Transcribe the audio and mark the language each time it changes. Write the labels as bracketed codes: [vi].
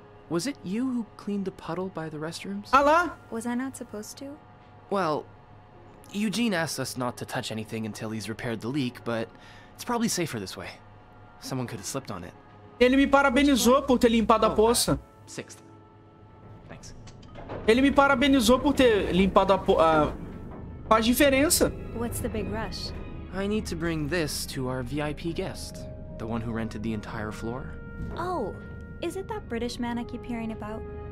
[en] Was it you who cleaned the puddle by the restrooms? [pt] Alá? [en] Was I not supposed to? Well, Eugene asked us not to touch anything until he's repaired the leak, but it's probably safer this way. Someone could have slipped on it. [pt] Ele me parabenizou por ter limpado a poça. [en] Sixth. Thanks. [pt] Ele me parabenizou por ter limpado a poça. Faz diferença. [en] What's the big rush? I need to bring this to our VIP guest, the one who rented the entire floor. Oh, is it that British man I keep hearing about?